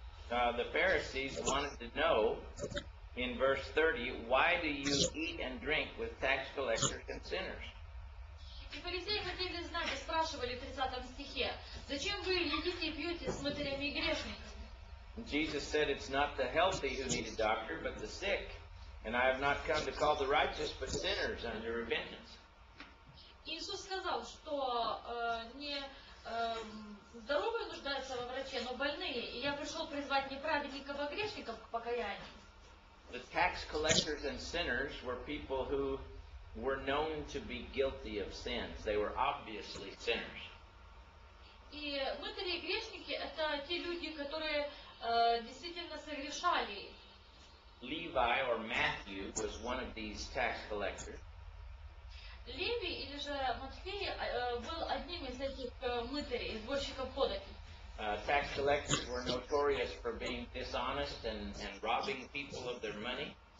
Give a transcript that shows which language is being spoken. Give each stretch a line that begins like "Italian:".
English: The Pharisees wanted to know in verse 30, why do you eat and drink with tax collectors and sinners?
Russian: И фарисеи хотели знать, и спрашивали в 30 стихе, зачем вы едите и пьете с мытарями и грешниками?
English: Jesus said, it's not the healthy who need a doctor, but the sick. And I have not come to call the righteous, but sinners unto repentance.
Russian: Иисус сказал, что не здоровые нуждаются во враче, но больные. И я пришел призвать не праведников, а грешников к покаянию.
English: The tax collectors and sinners were people who were known to be guilty of sins. They were obviously sinners.
Russian: И мытари и грешники — это те люди, которые действительно согрешали.
English: Levi or Matthew was one of these tax collectors.
Russian: Леви или же Матфей был одним из этих мытарей, сборщиков податей.
English: Tax collectors were notorious for being dishonest and robbing people of their money.